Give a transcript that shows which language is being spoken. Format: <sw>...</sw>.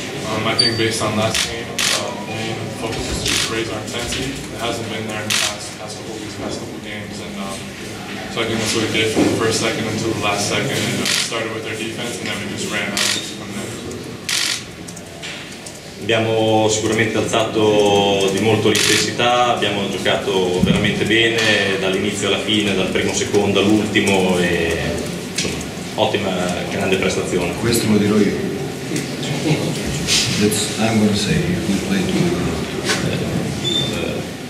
<en>I think based on last game, main focus is to raise our intensity. It hasn't been there in the past couple games, and so I think that's what we did from the first second until the last second. And, started with our defense, and then we just ran out.</en> <it>Abbiamo sicuramente alzato di molto l'intensità, abbiamo giocato veramente bene dall'inizio alla fine, dal primo secondo all'ultimo, e insomma, ottima, grande prestazione. Questo lo dirò io.</it> <en>That's, I'm going to say, we played too well.</en>